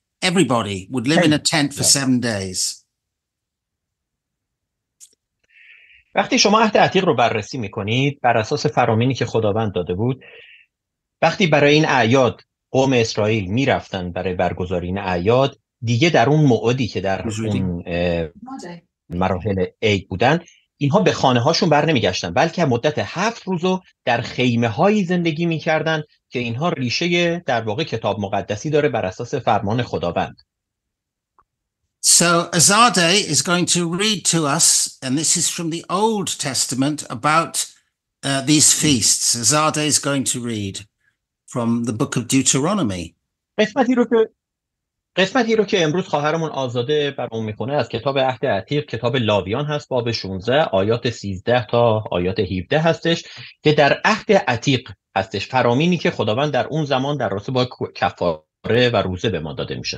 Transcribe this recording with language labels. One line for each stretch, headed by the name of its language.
English: Everybody would live in a tent for 7 days.
Persian: وقتی شما عهد عتیق رو بررسی میکنید، بر اساس فرامینی که خداوند داده بود، وقتی برای این اعیاد قوم اسرائیل میرفتن برای برگزاری این اعیاد، دیگه در اون موعدی که در اون مراحل عید بودن، اینها به خانه هاشون بر نمیگشتن، بلکه مدت 7 روز رو در خیمه هایی زندگی میکردن که اینها ریشه در واقع کتاب مقدسی داره بر اساس فرمان خداوند.
English: So Azade is going to read to us, and this is from the Old Testament, about these feasts. Azade is going to read from the book of Deuteronomy.
Persian: قسمتی رو که امروز خواهرمون آزاده برامون میخونه از کتاب عهد عتیق، کتاب لاویان هست، باب 16 آیات 13 تا آیات 17 هستش، که در عهد عتیق هستش، فرامینی که خداوند در اون زمان در رابطه با کفاره و روزه به ما داده میشه.